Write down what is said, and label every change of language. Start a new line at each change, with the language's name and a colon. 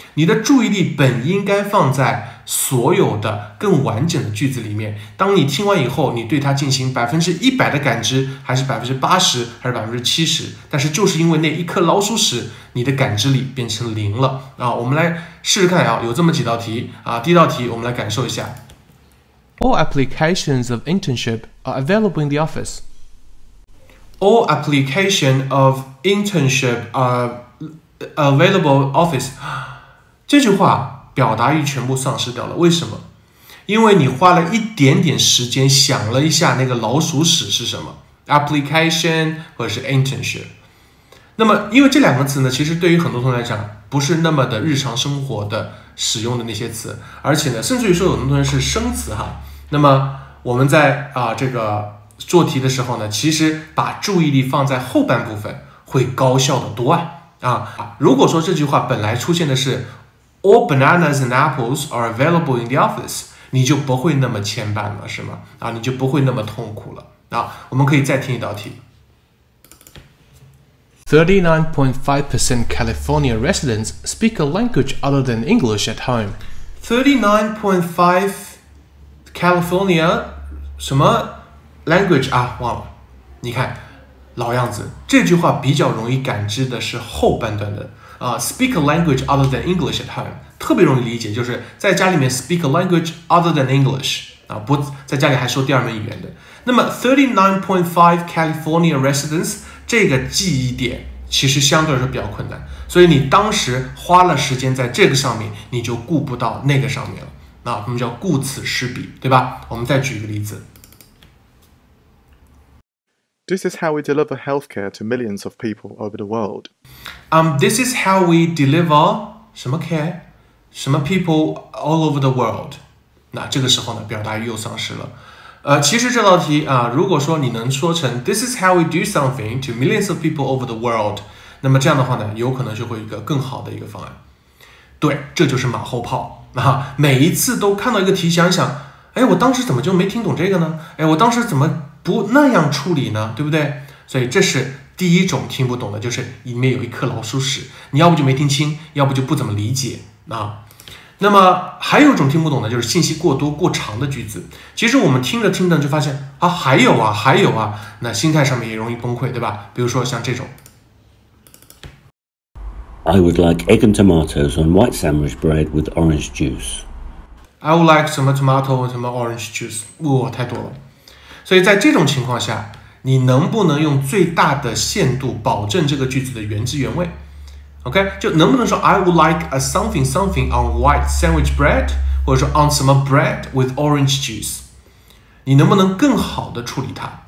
Chinese: 你的注意力本应该放在所有的更完整的句子里面，当你听完以后，你对它进行100%的感知，还是80%，还是70%，但是就是因为那一颗老鼠屎，你的感知力变成零了。我们来试试看啊，有这么几道题啊。第一道题，我们来感受一下。
English: All applications of internship are available in the office. All applications of internship are available in the office.
Chinese: 这句话表达欲全部丧失掉了，为什么？因为你花了一点点时间想了一下那个老鼠屎是什么， application 或者是 internship。那么因为这两个词呢，其实对于很多同学来讲不是那么的日常生活的使用的那些词，而且呢，甚至于说有的同学是生词哈。那么我们在这个做题的时候呢，其实把注意力放在后半部分会高效的多啊。如果说这句话本来出现的是 All bananas and apples are available in the office，你就不会那么牵绊了，是吗？啊，你就不会那么痛苦了啊。我们可以再听一道题。
English: 39.5% California residents speak a language other than English at home.
Chinese: 39.5 California 什么 language 啊？忘了。你看，老样子，这句话比较容易感知的是后半段的啊。 Speak a language other than English at home 特别容易理解，就是在家里面 speak a language other than English 啊，不在家里还说第二门语言的。
English: 那么 39.5 California residents。
Chinese: 这个记忆点其实相对来说比较困难，所以你当时花了时间在这个上面，你就顾不到那个上面了。那我们叫顾此失彼，对吧？我们再举一个例子。
English: This is how we deliver healthcare to millions of people over the world. This is how we deliver 什么 care 什么 people all over the world.
Chinese: 那这个时候呢，表达又丧失了。其实这道题啊，如果说你能说成 This is how we do something to millions of people over the world，那么这样的话呢，有可能就会有一个更好的一个方案。对，这就是马后炮啊！每一次都看到一个题，想想，哎，我当时怎么就没听懂这个呢？哎，我当时怎么不那样处理呢？对不对？所以这是第一种听不懂的，就是里面有一颗老鼠屎，你要不就没听清，要不就不怎么理解啊。那么还有一种听不懂的，就是信息过多过长的句子。其实我们听着听着就发现啊，还有啊，还有啊，那心态上面也容易崩溃，对吧？比如说像这种
English: I would like egg and tomatoes on white sandwich bread with orange juice. I would like 什么 tomato 什么 orange juice，哇，太多了。
Chinese: 所以在这种情况下，你能不能用最大的限度保证这个句子的原汁原味？
English: OK，就能不能说 I would like a something something on white sandwich bread，或者说 on 什么 bread with orange juice，你能不能更好的处理它？